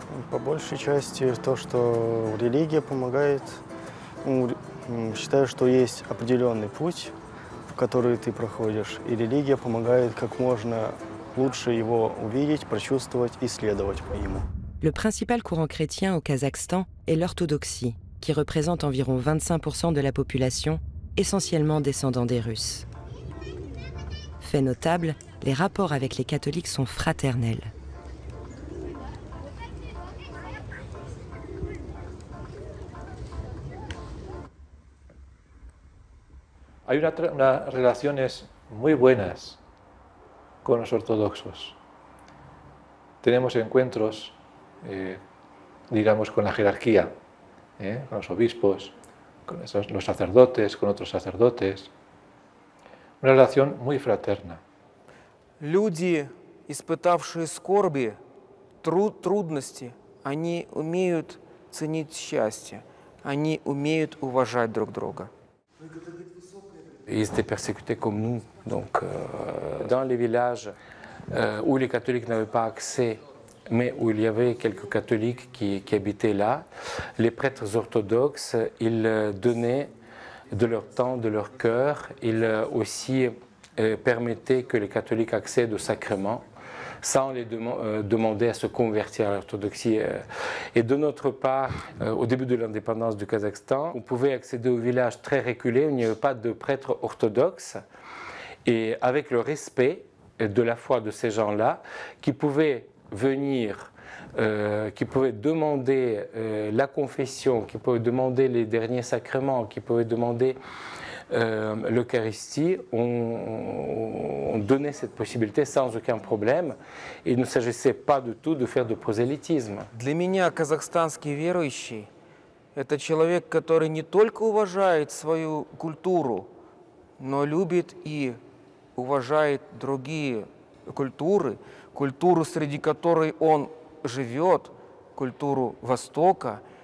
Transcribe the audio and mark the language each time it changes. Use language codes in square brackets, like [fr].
[ru] По большей части то, что религия помогает, считаю, что есть определенный путь, в который ты проходишь, и религия помогает как можно лучше его увидеть, прочувствовать и следовать ему. [fr] Le principal courant chrétien au Kazakhstan est l'orthodoxie, qui représente environ 25% de la population, essentiellement descendant des Russes. Fait notable, les rapports avec les catholiques sont fraternels. [es] Hay unas relaciones muy buenas con los ortodoxos. Tenemos encuentros, digamos, con la jerarquía, con los obispos, con los sacerdotes, con otros sacerdotes. Una relación muy fraterna. [ru] Люди, испытавшие скорби, трудности, они умеют ценить счастье, они умеют уважать друг друга. [fr] Ils étaient persécutés comme nous, donc dans les villages où les catholiques n'avaient pas accès, mais où il y avait quelques catholiques qui habitaient là, les prêtres orthodoxes, ils donnaient de leur temps, de leur cœur, ils aussi permettaient que les catholiques accèdent aux sacrements sans les demander à se convertir à l'orthodoxie. Et de notre part, au début de l'indépendance du Kazakhstan, on pouvait accéder aux villages très reculés, où il n'y avait pas de prêtres orthodoxes, et avec le respect de la foi de ces gens-là, qui pouvaient venir qui pouvaient demander la confession, qui pouvaient demander les derniers sacrements, qui pouvaient demander l'Eucharistie, ont donné cette possibilité sans aucun problème. Il ne s'agissait pas du tout de faire du prosélytisme. [ru] Для меня казахстанский верующий – это человек, который не только уважает свою культуру, но любит и уважает другие культуры, культуру, среди которой он живет, культуру Востока.